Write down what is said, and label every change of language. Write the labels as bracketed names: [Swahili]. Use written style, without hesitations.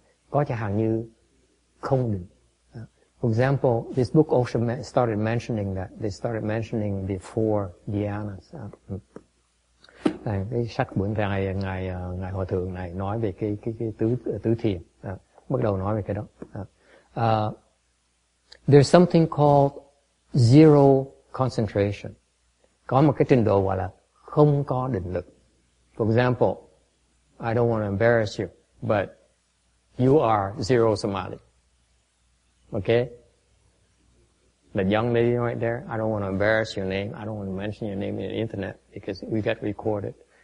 [Vietnamese] Có chẳng hạn như không định. [English] For example, this book also started mentioning that they started mentioning the four dhyanas. [Vietnamese] Cái sách bữa nay ngài hòa thượng này nói về cái tứ thiền, bắt đầu nói về cái đó. [English] There's something called zero concentration. [Vietnamese] Có một cái trình độ gọi là không có định lực. [English] For example, I don't want to embarrass you, but you are zero samadhi. Okay? The young lady right there, I don't want to embarrass your name. I don't want to mention your name in the internet because we get recorded.